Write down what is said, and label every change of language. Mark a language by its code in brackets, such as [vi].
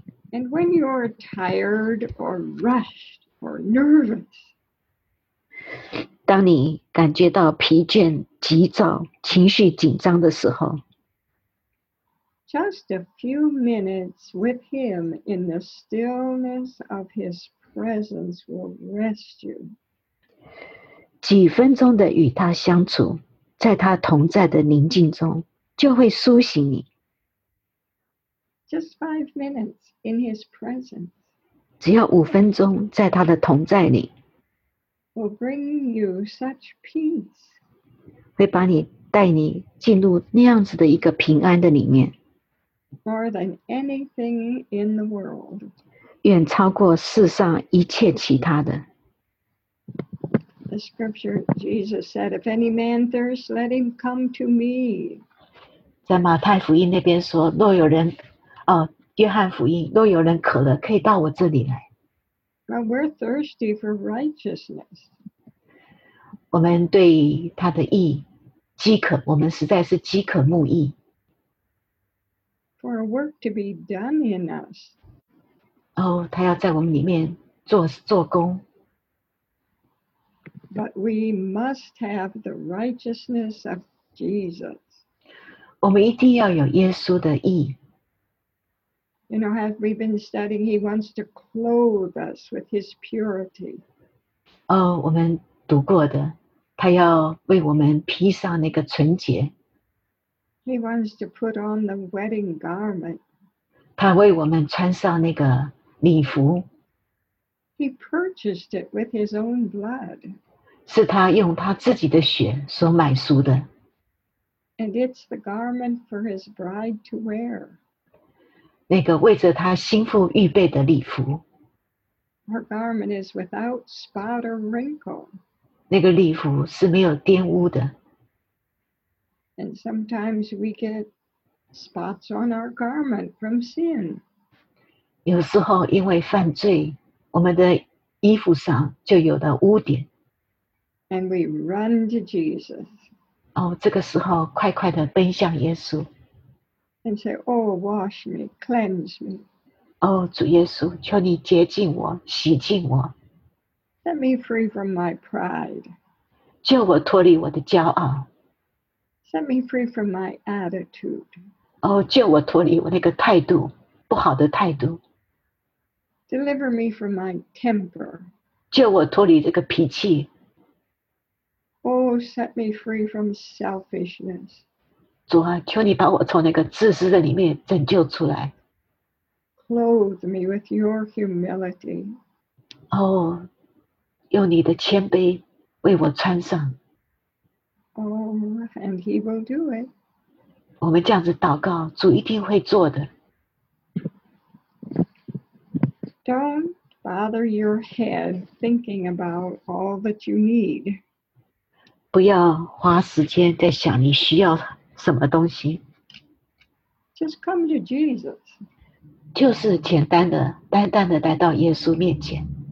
[en] And when you are tired or rushed or nervous, [zh] 当你感觉到疲倦、急躁、情绪紧张的时候， [en] Just a few minutes with him in the stillness of his presence will rest you. [zh] 几分钟的与他相处，在他同在的宁静中，就会苏醒你。 [en] Just 5 minutes in his presence. [zh] 只要五分钟在他的同在里。 [en] Will bring you such peace. [zh] 会把你带你进入那样子的一个平安的里面。 [en] More than anything in the world. [zh] 远超过世上一切其他的。 [en] The scripture Jesus said, if any man thirst, let him come to me. [zh] 在马太福音那边说，若有人，约翰福音，若有人渴了，可以到我这里来。 [en] Well, we're thirsty for righteousness. [zh] 我们对他的义饥渴，我们实在是饥渴慕义。 [en] For a work to be done in us. [zh] 哦，他要在我们里面做工。 [en] But we must have the righteousness of Jesus. [zh] 我们一定要有耶稣的义。 [en] You know, as we've been studying, he wants to clothe us with his purity. [zh] 哦，我们读过的，他要为我们披上那个纯洁。 [en] He wants to put on the wedding garment. [zh] 他为我们穿上那个礼服。 [en] He purchased it with his own blood. [zh] 是他用他自己的血所买赎的。 [en] And it's the garment for his bride to wear. [zh] 那个为着他心腹预备的礼服。 [en] Her garment is without spot or wrinkle. [zh] 那个礼服是没有玷污的。 [en] And sometimes we get spots on our garment from sin. [zh] 有时候因为犯罪，我们的衣服上就有了污点。 [en] And we run to Jesus. [zh] 哦，这个时候快快地奔向耶稣。 [en] And say, Oh, wash me, cleanse me. [zh] Oh, 主耶稣，求你洁净我，洗净我。 [en] Set me free from my pride. [zh] 救我脱离我的骄傲。 [en] Set me free from my attitude. [zh] Oh, 救我脱离我那个态度，不好的态度。 [en] Deliver me from my temper. [zh] 救我脱离这个脾气。 [en] Oh, set me free from selfishness. [zh] 主啊，求你把我从那个自私的里面拯救出来。 [en] Clothe me with your humility. [zh] 哦，用你的谦卑为我穿上。 [en] Oh, and he will do it. [zh] 我们这样子祷告，主一定会做的。 [en] Don't bother your head thinking about all that you need. [zh] 不要花时间在想你需要什么东西？ [en] Just come to Jesus. [zh] 就是简单的、单单的来到耶稣面前。